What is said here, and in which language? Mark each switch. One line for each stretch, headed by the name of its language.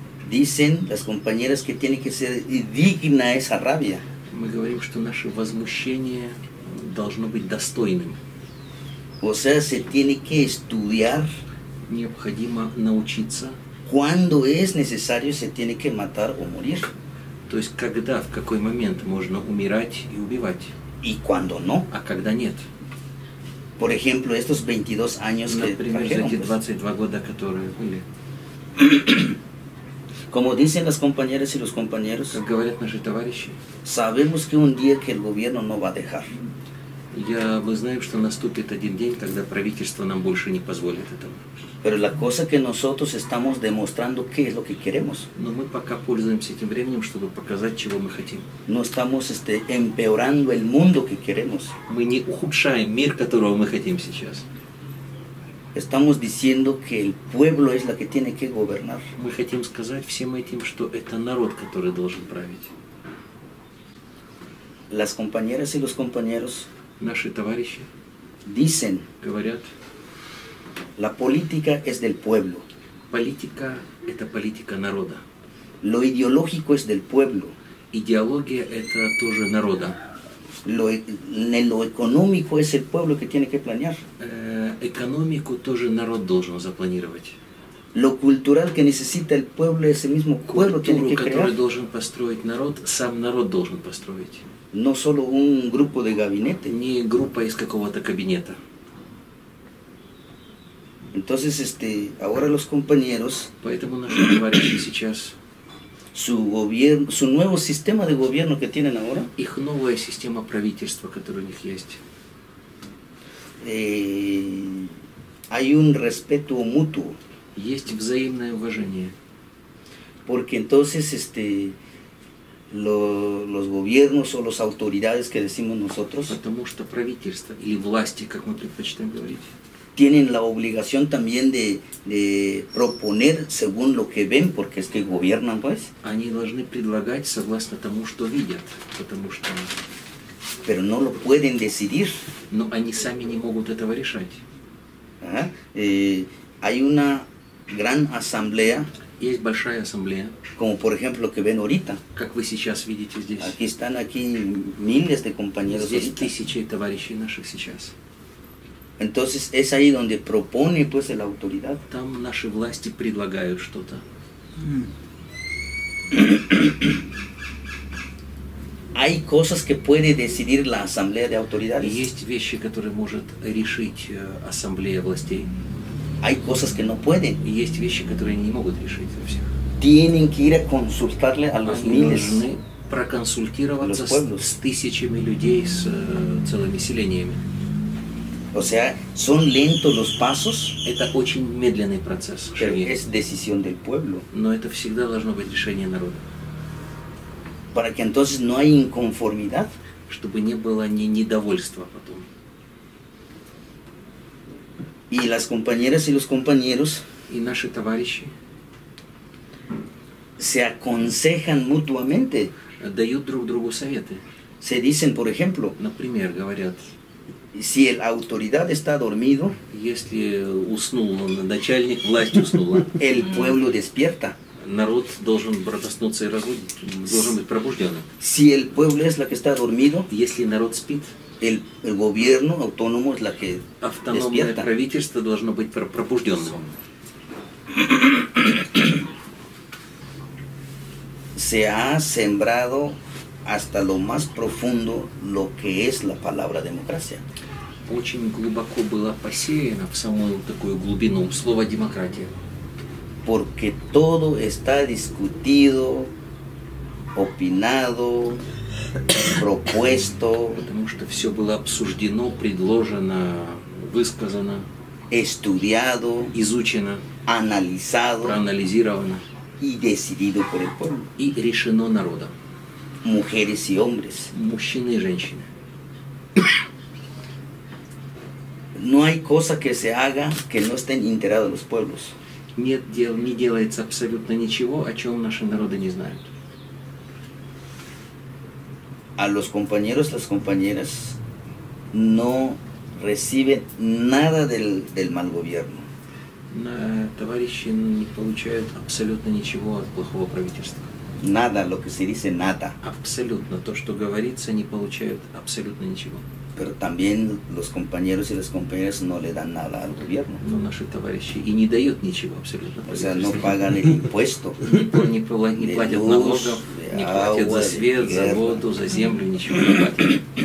Spanish: Dicen las compañeras que tiene que ser digna esa rabia.
Russian: Мы говорим, что наше возмущение должно быть достойным.
Spanish: O sea, se tiene que estudiar.
Russian: необходимо научиться.
Spanish: Cuando es necesario se tiene que matar o morir.
Russian: То есть когда, в какой момент можно умирать и убивать. И
Spanish: cuando no.
Russian: А когда нет.
Spanish: Por ejemplo, estos 22 años que trajeron.
Russian: Например, 22 года, которые были.
Spanish: Como dicen las compañeras y los compañeros.
Russian: Как говорят наши товарищи.
Spanish: Sabemos que un día que el gobierno no va a dejar.
Russian: Мы знаем, что наступит один день, когда правительство нам больше не позволит этого.
Spanish: Pero la cosa que nosotros estamos demostrando qué es lo que queremos.
Russian: Но мы пока пользуемся этим временем, чтобы показать, чего мы хотим.
Spanish: No estamos empeorando el mundo que queremos.
Russian: Мы не ухудшаем мир, которого мы хотим сейчас.
Spanish: Estamos diciendo que el pueblo es la que tiene que gobernar.
Russian: Мы хотим сказать всем этим, что это народ, который должен править.
Spanish: Las compañeras y los compañeros.
Russian: Наши товарищи.
Spanish: Dicen.
Russian: Говорят.
Spanish: La política es del pueblo.
Russian: Политика – это политика народа.
Spanish: Lo ideológico es del pueblo.
Russian: Идеология – это тоже народа.
Spanish: Lo económico es el pueblo que tiene que planear.
Russian: Экономику тоже народ должен запланировать.
Spanish: Lo cultural que necesita el pueblo es el mismo pueblo que tiene que crear.
Russian: Культуру, которую должен построить народ, сам народ должен построить.
Spanish: No solo un grupo de gabinete.
Russian: Не группа из какого-то кабинета.
Spanish: Entonces, ahora los compañeros,
Russian: поэтому наши товарищи сейчас,
Spanish: su nuevo sistema de gobierno que tienen ahora,
Russian: их новая система правительства, которая у них есть,
Spanish: hay un respeto mutuo,
Russian: есть взаимное уважение,
Spanish: porque entonces, los gobiernos o las autoridades que decimos nosotros,
Russian: потому что правительство или власти, как мы предпочитаем говорить.
Spanish: Tienen la obligación también de proponer según lo que ven, porque es que gobiernan, pues.
Russian: Они должны предлагать согласно тому, что видят, потому что.
Spanish: Pero no lo pueden decidir.
Russian: Но они сами не могут этого решать.
Spanish: Hay una gran asamblea.
Russian: Есть большая ассамблея.
Spanish: Como por ejemplo que ven ahorita.
Russian: Как вы сейчас видите здесь.
Spanish: Aquí están aquí miles de compañeros.
Russian: Здесь тысячи товарищей наших сейчас.
Spanish: Entonces es ahí donde propone pues la autoridad.
Russian: Там наши власти предлагают что-то.
Spanish: Hay cosas que puede decidir la asamblea de autoridades.
Russian: Есть вещи, которые может решить ассамблея властей.
Spanish: Hay cosas que no pueden.
Russian: И есть вещи, которые не могут решить вообще.
Spanish: Tienen que ir a consultarle a los miles.
Russian: Они должны проконсультироваться с тысячами людей, с целыми селениями.
Spanish: O sea, son lentos los pasos.
Russian: Это очень медленный процесс.
Spanish: Es decisión del pueblo.
Russian: Но это всегда должно быть решение народа.
Spanish: Para que entonces no haya inconformidad.
Russian: Чтобы не было ни недовольства потом.
Spanish: Y las compañeras y los compañeros.
Russian: И наши товарищи.
Spanish: Se aconsejan mutuamente.
Russian: Дают друг другу советы.
Spanish: Se dicen, por ejemplo.
Russian: Например, говорят.
Spanish: Si el autoridad está dormido,
Russian: если уснул начальник, власть уснула.
Spanish: El pueblo despierta.
Russian: Народ должен проснуться и разбудить, должен быть пробужденным.
Spanish: Si el pueblo es la que está dormido,
Russian: если народ спит,
Spanish: el gobierno autónomo es la que
Russian: автономное
Spanish: despierta.
Russian: Правительство должно быть пробужденным.
Spanish: Se ha sembrado hasta lo más profundo lo que es la palabra democracia.
Russian: Очень глубоко было посеяно в самую такую глубину слово демократия.
Spanish: Porque todo está discutido, opinado, propuesto.
Russian: Потому что все было обсуждено, предложено, высказано.
Spanish: Estudiado.
Russian: Изучено.
Spanish: Analizado.
Russian: Проанализировано.
Spanish: Y decidido por el pueblo.
Russian: И решено народом.
Spanish: Mujeres y hombres.
Russian: Мужчины и женщины.
Spanish: No hay cosa que se haga que no estén enterados los pueblos.
Russian: Нет, не делается абсолютно ничего, о чем наши народы не знают.
Spanish: A los compañeros, las compañeras no reciben nada del mal gobierno.
Russian: Товарищи не получают абсолютно ничего от плохого правительства.
Spanish: Nada, lo que se dice, nada.
Russian: Абсолютно, то, что говорится, не получают абсолютно ничего.
Spanish: pero también los compañeros y las compañeras no le dan nada al gobierno. No, nuestros compañeros y ni dan
Russian: ничего
Spanish: absolutamente. O sea, no pagan el impuesto. Ni pagan
Russian: налогов,
Spanish: ni pagan
Russian: за свет, за воду, за землю, ничего не платят.